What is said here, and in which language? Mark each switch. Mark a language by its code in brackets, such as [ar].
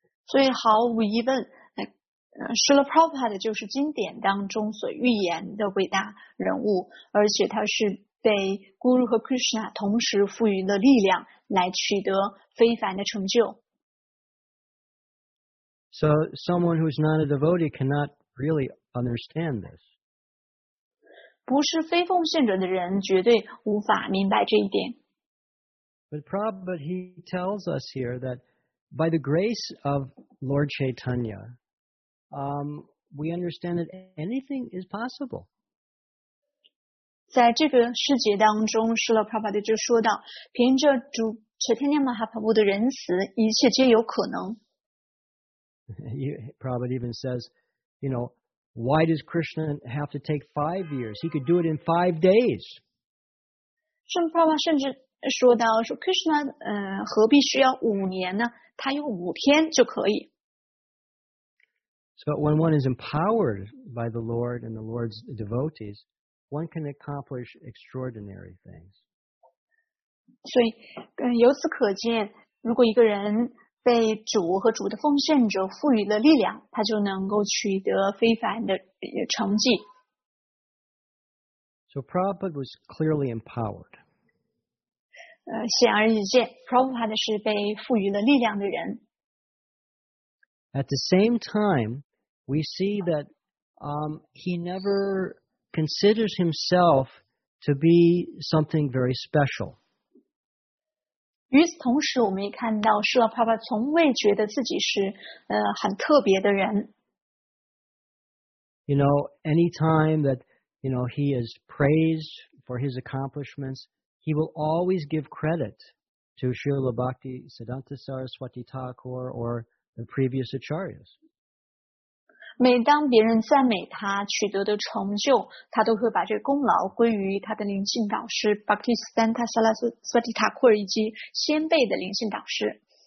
[zh] 所以毫无疑问，Srila Prabhupada 就是经典当中所预言的伟大人物，而且他是被 Guru 和 Krishna 同时赋予的力量来取得非凡的成就。 [en] So someone who is not a devotee cannot really understand this. [zh] 不是非奉献者的人绝对无法明白这一点。 [en] But Prabhupada, he tells us here that by the grace of Lord Chaitanya, we understand that anything is possible. [zh] 在这个世界当中 Srila Prabhupada 就说到凭着主 Chaitanya Mahaprabhu 的仁慈一切皆有可能。 [en] Prabhupada even says, Why does Krishna have to take 5 years? He could do it in 5 days. [zh] Srila Prabhupada 甚至说到说 Krishna 何必需要五年呢？他用五天就可以。 [en] So when one is empowered by the Lord and the Lord's devotees, one can accomplish extraordinary things. [zh] 所以由此可见，如果一个人被主和主的奉献者赋予了力量，他就能够取得非凡的成绩。 [en] So Prabhupada was clearly empowered. [zh] 显而易见 ，Prabhupada 是被赋予了力量的人。 [en] At the same time, we see that he never considers himself to be something very special. [zh] 与此同时，我们也看到舍帕帕从未觉得自己是很特别的人。 [en] You know, any time that you know he is praised for his accomplishments, he will always give credit to Srila Bhakti Siddhanta Saraswati Thakur or the previous acharyas. [zh] 每当别人赞美他取得的成就，他都会把这个功劳归于他的灵性导师 Bhakti Siddhanta Saraswati Thakur 以及先辈的灵性导师。